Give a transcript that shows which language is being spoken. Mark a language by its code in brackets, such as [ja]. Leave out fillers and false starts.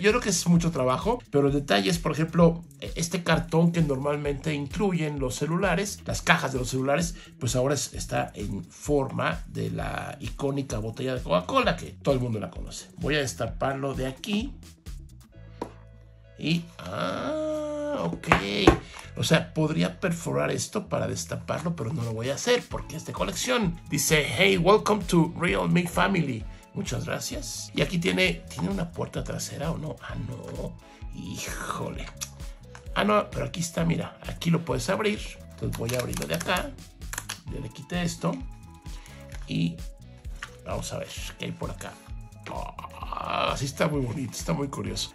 [es] Yo creo que es mucho trabajo, pero el detalle es, por ejemplo, este cartón que normalmente incluyen los celulares, las cajas de los celulares, pues ahora está en forma de la icónica botella de Coca-Cola, que todo el mundo la conoce. Voy a destaparlo de aquí. Y, ok. O sea, podría perforar esto para destaparlo, pero no lo voy a hacer porque es de colección. Dice, [en] hey, welcome to Realme Family. [es] Muchas gracias. Y aquí tiene una puerta trasera, ¿o no? Ah, no. Híjole. Ah, no, pero aquí está, mira. Aquí lo puedes abrir. Entonces voy a abrirlo de acá. Ya le quité esto. Y vamos a ver qué hay por acá. Ah, sí, está muy bonito, está muy curioso.